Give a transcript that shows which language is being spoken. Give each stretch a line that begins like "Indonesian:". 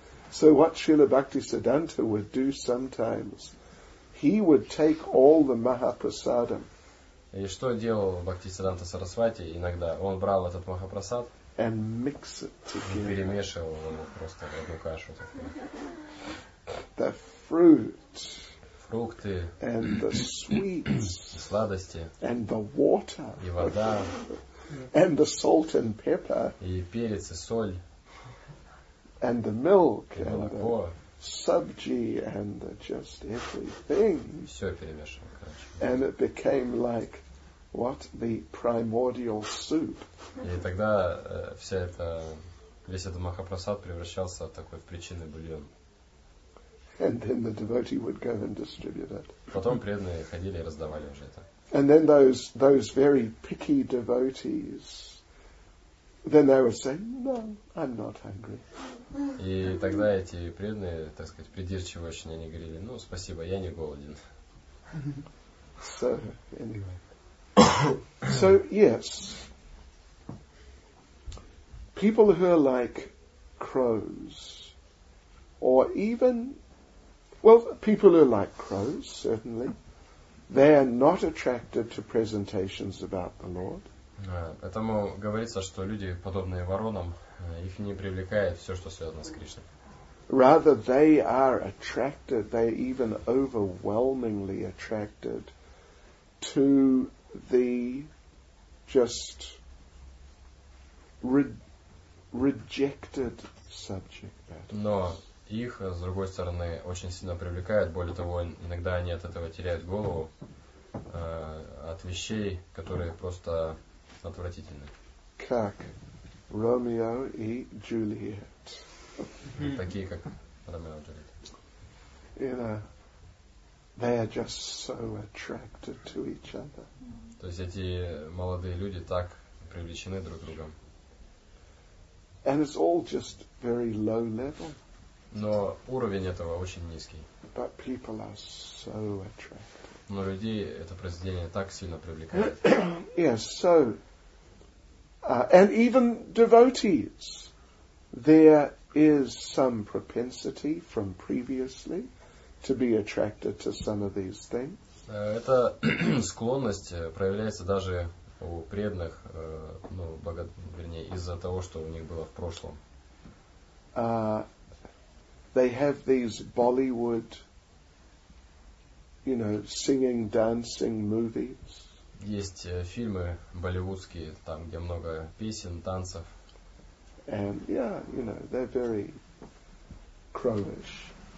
English: So what Srila Bhaktisiddhanta would do sometimes, he would take all the Mahaprasadam.
Russian: И что делал Бхактисиддханта Сарасвати иногда? Он брал этот Махапрасад
English: and mix it together.
Russian: И перемешивал его просто в одну кашу.
English: The fruit.
Russian: Фрукты.
English: And the sweets.
Russian: И сладости.
English: And the water.
Russian: И вода.
English: And the salt and pepper.
Russian: И перец, и соль.
English: And the milk.
Russian: И молоко.
English: And the sabji and the just everything.
Russian: Все перемешивал, короче.
English: And it became like what the primordial soup.
Russian: И тогда вся эта, весь этот махапрасад превращался в такой в причинный бульон.
English: And then the devotee would go and distribute it.
Russian: Потом преданные ходили и раздавали уже это.
English: And then those very picky devotees, then they would say, no, I'm not hungry.
Russian: И тогда эти преданные, так сказать, придирчивые очень, они говорили, ну, спасибо, я не голоден.
English: So, anyway. So, yes. People who are like crows, or even, well, people who are like crows, certainly, they are not attracted to presentations about the Lord.
Russian: Поэтому говорится, что люди, подобные воронам, их не привлекает все, что связано с Кришной.
English: Rather, they are attracted, they are even overwhelmingly attracted to the just rejected subject matter.
Russian: Но их, с другой стороны, очень сильно привлекает, более того, иногда они от этого теряют голову, от вещей, которые просто отвратительны. Как Ромео и Джульет. Такие, как Ромео и Джульет.
English: You know, they are just so attracted to each other.
Russian: То есть эти молодые люди так привлечены друг к другу.
English: And it's all just very low level.
Russian: Но уровень этого очень низкий.
English: But people are so attracted.
Russian: Но людей это произведение так сильно привлекает.
English: Yes, so, and even devotees, there is some propensity from previously to be attracted to some of these things.
Russian: Эта склонность проявляется даже у преданных, ну, вернее, из-за того, что у них было в прошлом.
English: They have these Bollywood, you know, singing, dancing movies.
Russian: Есть фильмы болливудские, там, где много песен, танцев.
English: And yeah, you know, they're very crowish.